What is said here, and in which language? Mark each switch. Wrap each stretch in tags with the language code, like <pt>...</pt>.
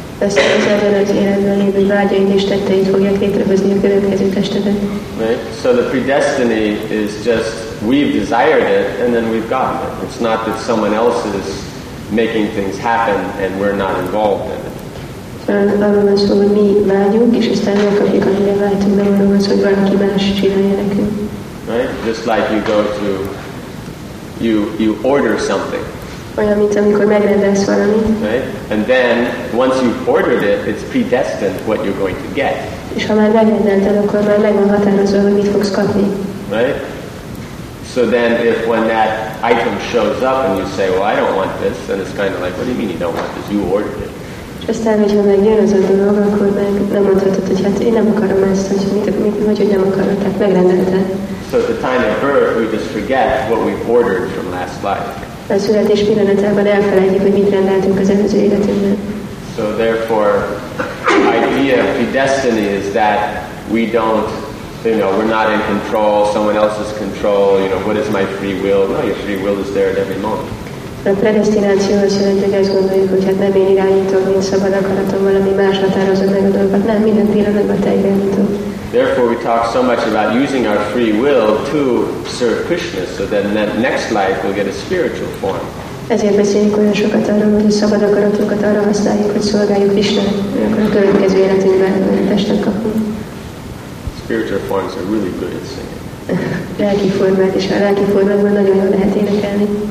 <en>Right? So the predestiny is just, we've desired it and then we've gotten it. It's not that someone else is making things happen and we're not involved in it.</en> <hu>Arról van szó, hogy mi vágyunk, és aztán megkapjuk, amire vágyunk, de arról van szó, hogy valaki más csinálja nekünk.</hu> <en>Right? Just like you go to, you order something.</en> <hu>Olyan, mint amikor megrendelsz valamit.</hu> <en>Right? And then, once you've ordered it, it's predestined what you're going to get.</en> <hu>És ha már megrendelted, akkor már meg van határozva, hogy mit fogsz kapni.</hu> <en>Right? So then if when that item shows up and you say, well, I don't want this, then it's kind of like, what do you mean you don't want this? You ordered it.</en> <hu>És aztán, hogyha megjön az a dolog, akkor meg nem mondhatod, hogy hát én nem akarom ezt, hogy hogy nem akarod, tehát megrendelted.</hu> <en>So at the time of birth, we just forget what we've ordered from last life.</en> <hu>A születés pillanatában elfelejtjük, hogy mit rendeltünk az előző életünkben.</hu> <en>So therefore, the idea of predestiny is that we don't, you know, we're not in control, someone else's control, you know, what is my free will? No, your free will is there at every moment.</en> <hu>A predestináció azt jelenti, hogy azt gondoljuk, hogy hát nem én irányítom, én szabad akaratom, valami más határozza meg a dolgot. Nem, minden pillanatban te irányítod.</hu> <en>Therefore we talk so much about using our free will to serve Krishna, so then that next life will get a spiritual form.</en> <hu>Ezért beszélünk olyan sokat arról, hogy a szabad akaratunkat arra használjuk, hogy szolgáljuk Krishna, akkor a következő életünkben a testet kapunk.</hu> <en>Spiritual forms are really good at singing.</en> <hu>Lelki formát, és a lelki formában nagyon jól lehet énekelni.</hu>